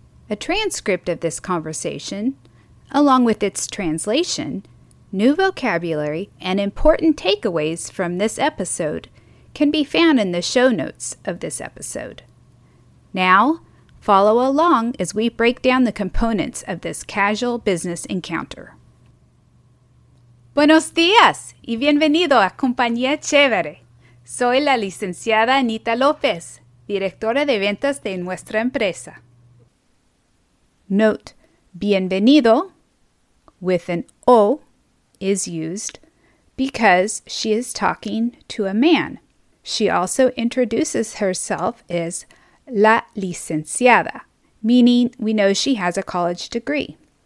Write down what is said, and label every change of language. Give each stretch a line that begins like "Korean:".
English: A transcript of this conversation, along with its translation, new vocabulary, and important takeaways from this episode can be found in the show notes of this episode. Now, follow along as we break down the components of this casual business encounter.
Spanish: Buenos días y bienvenido a Compañía Chévere. Soy la licenciada Anita López, directora de ventas de nuestra empresa.
English: Note, bienvenido with an O is used because she is talking to a man. She also introduces herself as la licenciada, meaning we know she has a college degree.